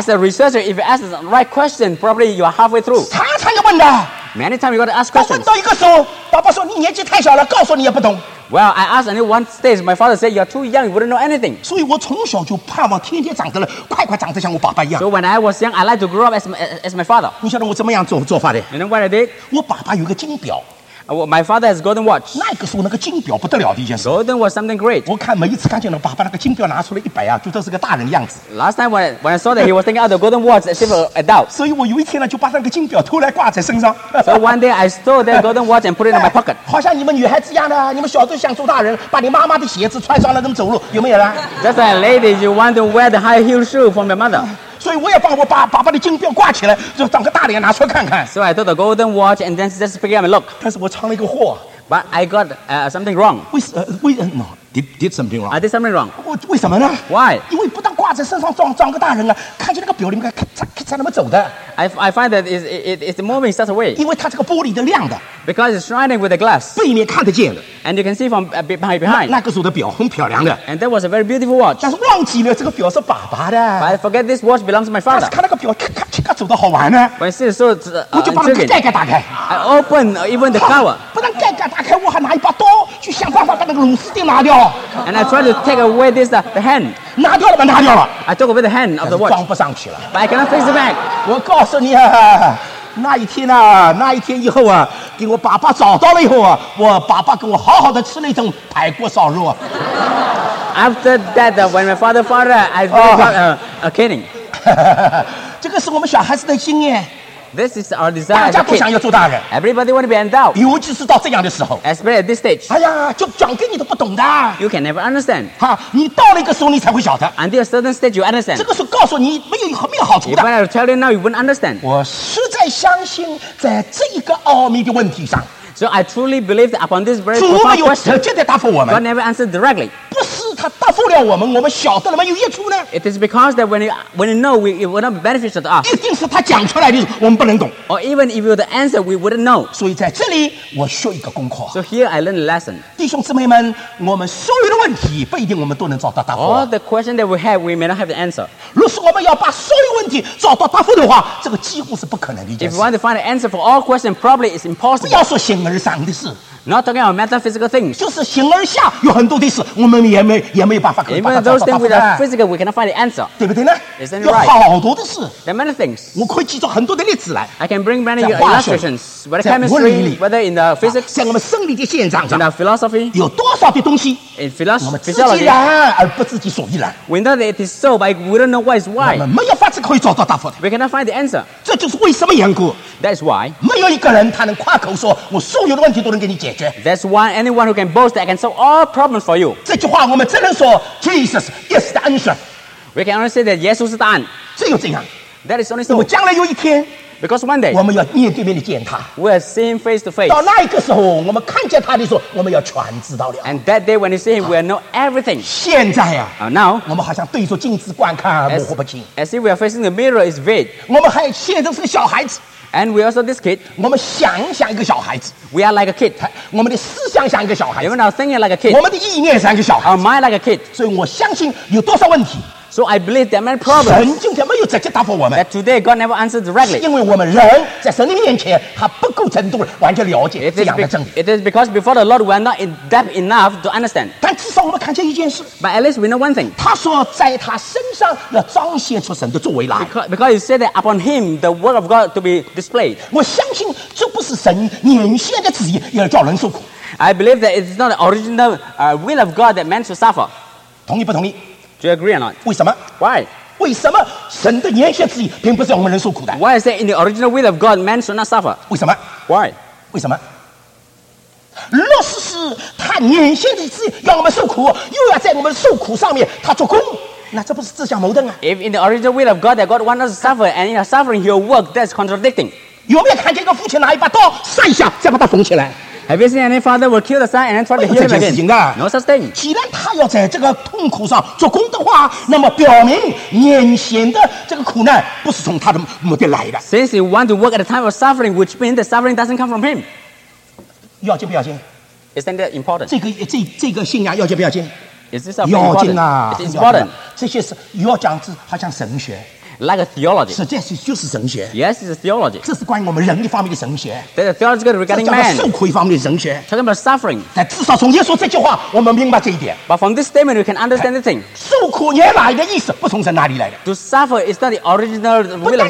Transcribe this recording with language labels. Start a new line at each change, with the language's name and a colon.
English: As a researcher, if you ask the right question, probably you are halfway through.
Chinese: 常常要问的。
English: Many times you got to ask questions.
Chinese: 问到一个时候,爸爸说你年纪太小了,告诉你也不懂。
English: Well, I asked only one stage. My father said, you're too young, you wouldn't know anything.
Chinese: 所以我从小就盼望天天长得了,快快长得像我爸爸一样。
English: So when I was young, I like to grow up as my father.
Chinese: 你晓得我怎么样做法的?
English: You know what I did?
Chinese: 我爸爸有个金表。
English: My father has a golden watch.
Chinese: 那个时候那个金表不得了的一件事。
English: Golden was something great.
Chinese: 我每一次看见爸爸那个金表拿出了一百啊, 就这是个大人的样子。
English: Last time when I saw that he was taking out the golden watch as if an adult.
Chinese: 所以我有一天呢, 就把那个金表偷来挂在身上。
English: So one day I stole that golden watch and put it in my pocket.
Chinese: 好像你们女孩子一样的, 你们小时候想做大人, 把你妈妈的鞋子穿上了那么走路, 有没有呢?
English: Just like ladies, you want to wear the high heel shoe from your mother.
Chinese: 所以我也把我爸爸的金表挂起来,就找个大脸拿出来看看。
English: So I took the golden watch and then just pick it up and look.
Chinese: 但是我藏了一个货。
English: But I got something wrong. Did something wrong. I did something wrong.
Chinese: 为什么呢?
English: Why?
Chinese: 因为不但挂在身上装个大人啊,看见那个表里面才那么走的。
English: I find that it's moving such a way.
Chinese: 因为它这个玻璃的亮的。
English: Because it's shining with the glass.
Chinese: 背面看得见的。
English: And you can see from behind.
Chinese: 那个时候的表很漂亮的。
English: And that was a very beautiful watch.
Chinese: 但是忘记了这个表是爸爸的。
English: But I forget this watch belongs to my father.
Chinese: 但是看那个表,咔咔咔走得好玩啊。
English: But you see, so,
Chinese: 我就把那个盖盖打开。
English: I open even the cover.
Chinese: 不但盖盖打开,我还拿一把刀去想办法把那个螺丝钉拿掉。
English: And I tried to take away this, the hand.
Chinese: 拿掉了吗?
English: I took away the hand of the watch.
Chinese: 装不上去了。
English: But I cannot face it back.
Chinese: 我告诉你啊, 那一天以后啊, 给我爸爸找到了以后啊, 我爸爸跟我好好的吃了一顿排骨烧肉啊。
English: After that, when my father found out, I really got a kidding.
Chinese: 这个是我们小孩子的经验。
English: This is our desire. Everybody want to be endowed.
Chinese: 尤其是到这样的时候,
English: especially at this stage.
Chinese: 哎呀,就讲给你都不懂的。
English: You can never understand.
Chinese: 你到了一个时候你才会晓得。
English: Until a certain stage, you understand.
Chinese: 这个时候告诉你没有好处的。
English: If I were to tell you now, you wouldn't understand.
Chinese: 我实在相信在这一个奥秘的问题上。
English: So I truly believe that upon this very profound question, God never answered directly.
Chinese: 不是他答复了我们,我们晓得了吗?有益处呢?
English: It is because that when you know, it will not be beneficial to us.
Chinese: 一定是他讲出来的,我们不能懂。
English: Or even if you were to answer, we wouldn't know.
Chinese: 所以在这里,我学一个功课。
English: So here I learned a lesson.
Chinese: 弟兄姊妹们,我们所有的问题,不一定我们都能找到答复。
English: All the questions that we have, we may not have the answer.
Chinese: 如果我们要把所有问题找到答复的话, 这个几乎是不可能的一件事。
English: If you want to find the answer for all questions, probably it's impossible.
Chinese: 不要说形而上的事。
English: Not talking about metaphysical things.
Chinese: 就是形而下有很多的事, 我们也没办法跟他答复的。
English: Even those things which are physical, we cannot find the answer.
Chinese: 对不对呢?
English: Isn't it right?
Chinese: 有好多的事。
English: There are many things.
Chinese: 我可以记住很多的例子来。
English: I can bring many illustrations. Whether chemistry, whether in the physics,
Chinese: 像我们生理的现象,
English: in the philosophy,
Chinese: 有多少的东西,
English: in physiology,
Chinese: 我们自己然而不自己所依然。
English: We know that it is so, but we don't know why it's why.
Chinese: 我们没有法子可以找到答复的。
English: We cannot find the answer.
Chinese: 这就是为什么缘故。
English: That is why.
Chinese: 没有一个人他能夸口说, 我所有的问题都能给你解决。
English: That's why anyone who can boast that I can solve all problems for you.
Chinese: 这句话我们只能说,
English: Jesus is the answer. We can only say that Jesus is the answer.
Chinese: 只有这样。
English: That is only so.
Chinese: 我们将来有一天,
English: because one day,
Chinese: 我们要面对面地见他,
English: we will see him face to face.
Chinese: 到那一个时候, 我们看见他的时候, 我们要全知道了。
English: And that day when you see him, we will know everything.
Chinese: 现在啊,
English: now,
Chinese: 我们好像对着镜子观看,
English: as you see, we are facing the mirror, it's vague.
Chinese: 我们还现在是个小孩子。
English: And we also this kid.
Chinese: 我们想像一个小孩子。
English: We are like a kid.
Chinese: 我们的思想像一个小孩子。
English: Even our thinking like a kid.
Chinese: 我们的意念像一个小孩子。
English: Our mind like a kid.
Chinese: 所以我相信有多少问题。
English: So I believe there are many problems.
Chinese: 神今天没有直接答复我们。
English: That today God never answered directly.
Chinese: 是因为我们人在神的面前还不够程度完全了解这样的真理。
English: It is because before the Lord we are not in depth enough to understand.
Chinese: 但至少我们看见一件事。
English: But at least we know one thing.
Chinese: 他说在他身上要彰显出神的作为来。
English: Because he said that upon him the word of God to be displayed.
Chinese: 我相信这不是神年限的旨意，也叫人受苦。
English: I believe that it is not the original will of God that man should suffer.
Chinese: 同意不同意？
English: Do you agree or not?
Chinese: 为什么
English: Why?
Chinese: 为什么神的年限之意并不是我们人受苦的
English: Why is that in the original will of God, man should not suffer?
Chinese: 为什么
English: Why?
Chinese: 为什么若是是他年限的之意要我们受苦又要在我们受苦上面他做工那这不是自相矛盾啊
English: If in the original will of God that God wants us to suffer and in our suffering he will work, that's contradicting.
Chinese: 有没有看见一个父亲拿一把刀塞下再把它缝起来
English: Have you seen any father will kill the son and try to heal him again? No such thing.
Chinese: 既然他要在这个痛苦上做工的话，那么表明眼前的这个苦难不是从他的目的来的。
English: Since he wants to work at a time of suffering, which means the suffering doesn't come from him.
Chinese: 要紧不要紧
English: ？Is that important?
Chinese: 这个信仰要紧不要紧
English: ？Is this important?
Chinese: 要紧啊
English: ！It's important.
Chinese: 这些是要讲是好像神学。
English: Like a theology.
Chinese: 是，这是就是神学。
English: Yes, it's a theology.
Chinese: 这是关于我们人一方面的神学。
English: That's a theology regarding man.
Chinese: 这叫做受苦一方面的神学。
English: Talking about suffering.
Chinese: 但至少从耶稣这句话，我们明白这一点。
English: But from this statement, we can understand the thing.
Chinese: 受苦原来的意思不从神哪里来的。
English: To suffer is not the original will of God.